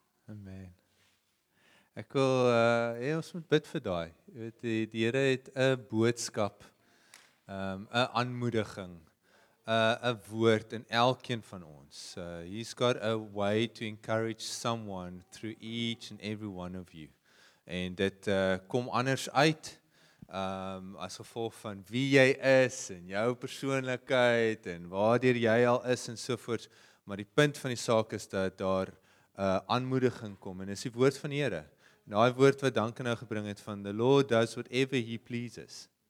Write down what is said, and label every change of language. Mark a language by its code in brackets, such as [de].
[af] amen ek wil ons moet bid vir daai weet die Here het 'n boodskap 'n aanmoediging 'n woord in elkeen van ons. [en] He's got a way to encourage someone through each and every one of you. [af] En dit kom anders uit as gevolg van wie jy is en jou persoonlikheid en waardeur jy al is en sovoorts. Maar die punt van die saak is dat daar aanmoediging kom en is die woord van die Here. En daai woord wat dank en nou gebring het van [en] the Lord does whatever he pleases.